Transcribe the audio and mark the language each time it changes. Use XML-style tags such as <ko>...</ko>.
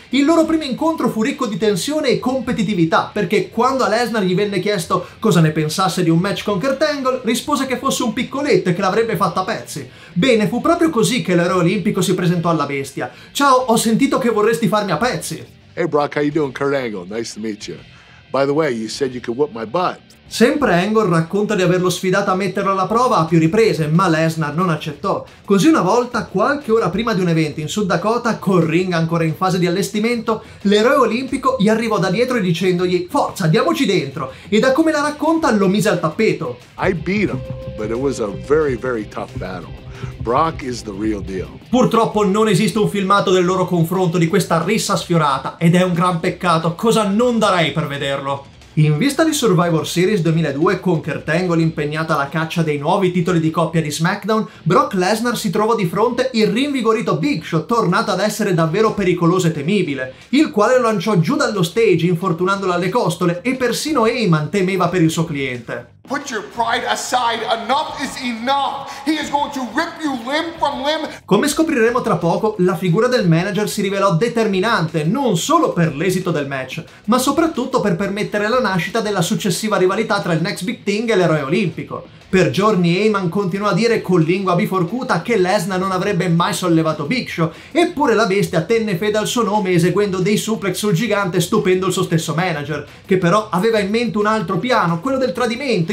<it>Il loro primo incontro fu ricco di tensione e competitività, perché quando a Lesnar gli venne chiesto cosa ne pensasse di un match con Kurt Angle, rispose che fosse un piccoletto e che l'avrebbe fatto a pezzi. Bene, fu proprio così che l'eroe olimpico si presentò alla bestia. Ciao, ho sentito che vorresti farmi a pezzi.</it> <en>Hey Brock, how you doing? Kurt Angle, nice to meet you. By the way, you said you could whip my butt.</en> <it>Sempre Angle racconta di averlo sfidato a metterlo alla prova a più riprese, ma Lesnar non accettò. Così una volta, qualche ora prima di un evento in Sud Dakota, col ring ancora in fase di allestimento, l'eroe olimpico gli arrivò da dietro dicendogli: "Forza, diamoci dentro!" E da come la racconta, lo mise al tappeto.</it> <en>I beat him, but it was a very, very tough battle. Brock is the real deal.</en> <it>Purtroppo non esiste un filmato del loro confronto, di questa rissa sfiorata, ed è un gran peccato, cosa non darei per vederlo. In vista di Survivor Series 2002, con Kurt Angle impegnato alla caccia dei nuovi titoli di coppia di SmackDown, Brock Lesnar si trovò di fronte il rinvigorito Big Show, tornato ad essere davvero pericoloso e temibile, il quale lo lanciò giù dallo stage, infortunandolo alle costole, e persino Heyman temeva per il suo cliente.</it> <en>Put your pride aside, enough is enough. He is going to rip you limb from limb.</en> <it>Come scopriremo tra poco, la figura del manager si rivelò determinante non solo per l'esito del match, ma soprattutto per permettere la nascita della successiva rivalità tra il Next Big Thing e l'eroe olimpico. Per giorni Heyman continuò a dire con lingua biforcuta che Lesnar non avrebbe mai sollevato Big Show, eppure la bestia tenne fede al suo nome eseguendo dei suplex sul gigante, stupendo il suo stesso manager, che però aveva in mente un altro piano, quello del tradimento.</it>